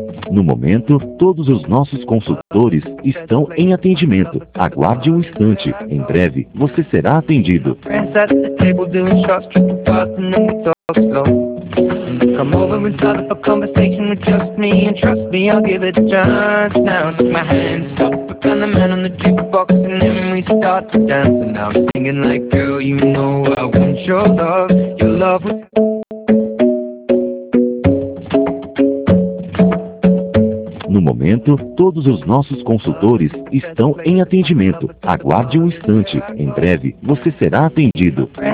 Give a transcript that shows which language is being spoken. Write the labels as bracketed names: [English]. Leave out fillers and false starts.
[Portuguese] No momento, todos os nossos consultores estão em atendimento. Aguarde um instante. Em breve, você será atendido. [English] Come over and start up a conversation with just me. And trust me, I'll give it a chance. Now I'll take my hand, stop, pretend the man on the jukebox. And then we start to dance. And now I'm singing like, girl, you know I want your love. Your love was... [Portuguese] atendimento, todos os nossos consultores estão em atendimento. Aguarde um instante, em breve, você será atendido.